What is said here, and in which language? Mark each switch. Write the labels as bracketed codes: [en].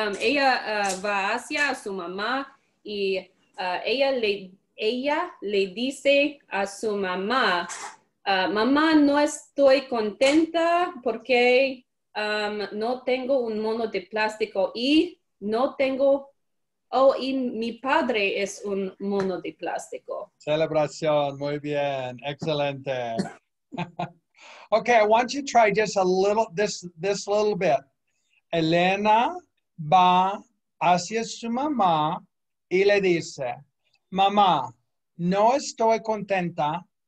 [es] Ella va hacia su mamá y ella le dice a su mamá. Mamá, no estoy contenta porque no tengo un mono de plástico y no tengo, y mi padre es un mono de plástico. Celebración, muy bien, excelente. [en] Okay, I want you to try just a little, this little bit. [es] Elena va hacia su mamá y le dice, mamá, no estoy contenta.